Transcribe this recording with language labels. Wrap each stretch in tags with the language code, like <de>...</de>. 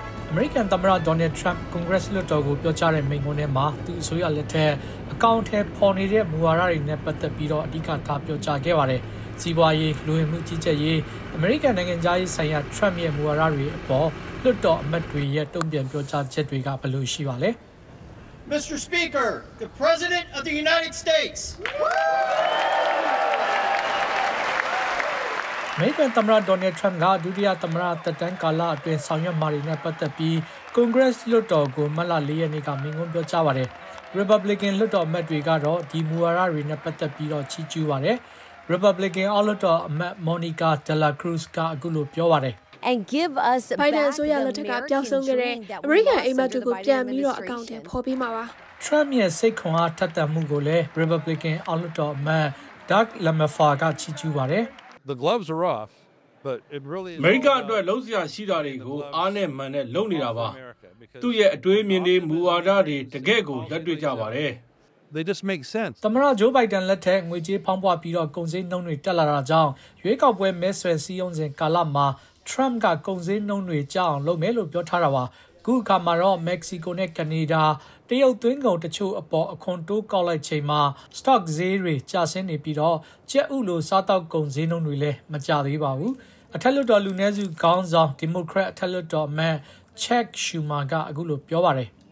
<my>အမေရိကန်သမ္မတဒေါ်နယ်ထရန့်ကွန်ဂရက်စ်လွှတ်တော်ကိုပြောကြားတဲ့မိန့်ခွန်းထဲမှာသူအစိုးရလက်ထက်အကောင့်ထဲပေါ်နေတဲ့မူဝါဒတွေနဲ့ပတ်သက်ပြီးတော့အဓိကထားပြောကြားခဲ့ပါတယ်စီးပွားရေးလူဝင်မှုကြီးကြပ်ရေးအမေရိကန်နိုင်ငံသားရေးဆိုင်ရာထရန့်ရဲ့မူဝါဒတွေအပေါ်လွှတ်တော်အမတ်တွေရဲ့တုံ့ပြန်ပြောကြားချက်တွေကဘယ်လိုရှိပါလဲ</my> <en>Mr. Speaker, the President of the United States.</en> <my>မေကန်သမ္မတဒေါ်နယ်ထရန့်ကဒုတိယသမ္မတသက်တမ်းကာလအတွင်းဆောင်ရွက်မှာနေပတ်သက်ပြီးကွန်ဂရက်စ်လွှတ်တော်ကိုမတ်လ4ရက်နေ့ကမင်းငွန်းပြောကြားပါတယ် Republican လွှတ်တော်အမတ်တွေကတော့ဒီမူဝါဒတွေနဲ့ပတ်သက်ပြီးတော့ချီးကျူးပါတယ် Republican အလွှတ်တော်အမတ် Monica De La Cruz ကအခုလိုပြောပါတယ်</my> <en>and give us</en> <my>a Biden ဆိုရလက်ထက်ကပြောင်းဆုံးခဲ့တဲ့ American အိမ်မက်တွေကိုပြန်ပြီးတော့အကောင့်ထဲပေါ်ပြီးမှာပါ Trump ရဲ့စိတ်ခွန်အားထက်သန်မှုကိုလည်း Republican အလွှတ်တော်အမတ် Doug Lamafar ကချီးကျူးပါတယ်</my> <en>The gloves are off but it really is</en> <my>America အတွက်လုံးစရာရှိတာတွေကိုအားနဲ့မှန်နဲ့လုံနေတာပါသူ့ရဲ့အတွေးမြင်တွေမူဝါဒတွေတကယ့်ကိုလက်တွေ့ကြပါတယ်</my> <en>They just make sense.</en> <my>သမ္မတဂျိုးဘိုက်ဒန်လက်ထက်ငွေကြေးဖောင်းပွပြီးတော့ကုန်စည်နှုန်းတွေတက်လာတာကြောင့်ရွေးကောက်ပွဲမဲဆွယ်စည်းရုံးစဉ်ကာလမှာထရမ့်ကကုန်စည်နှုန်းတွေကြောင်းလုံမယ်လို့ပြောထားတာပါခုအခါမှာတော့မက္ကဆီကိုနဲ့ကနေဒါတရုတ်သွင်းကုန်တချို့အပေါ်အခွန်တိုးကောက်လိုက်ချိန်မှာ stock ဈေးတွေကျဆင်းနေပြီးတော့ကြက်ဥလိုစားတောက်ကုန်စည်နှုန်းတွေလည်းမကျသေးပါဘူးအထက်လွှတ်တော်လူနည်းစုခေါင်းဆောင် Democrat အထက်လွှတ်တော်မန် Chuck Schumer ကအခုလိုပြောပါတယ်</my>